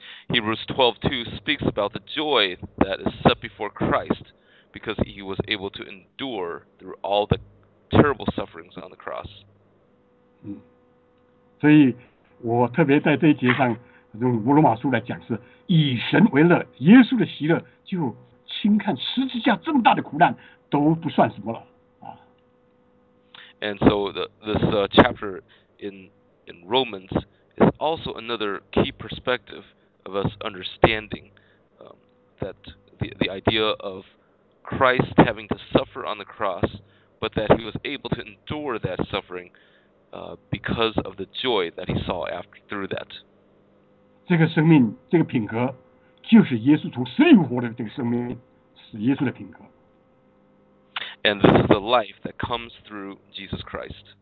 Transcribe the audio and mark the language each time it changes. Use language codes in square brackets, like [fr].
[en] Hebrews 12:2 speaks about the joy that is set before Christ because he was able to endure through all the terrible sufferings on the cross. [zh] 所以我特别在这一节上用罗马书来讲是以神为乐，耶稣的喜乐就轻看十字架这么大的苦难都不算什么了。 [en] And so this chapter in Romans is also another key perspective of us understanding that the idea of Christ having to suffer on the cross, but that he was able to endure that suffering because of the joy that he saw after through that. [zh] 这个生命，这个品格，就是耶稣从死里复活的这个生命，是耶稣的品格。 [en] And this is the life that comes through Jesus Christ.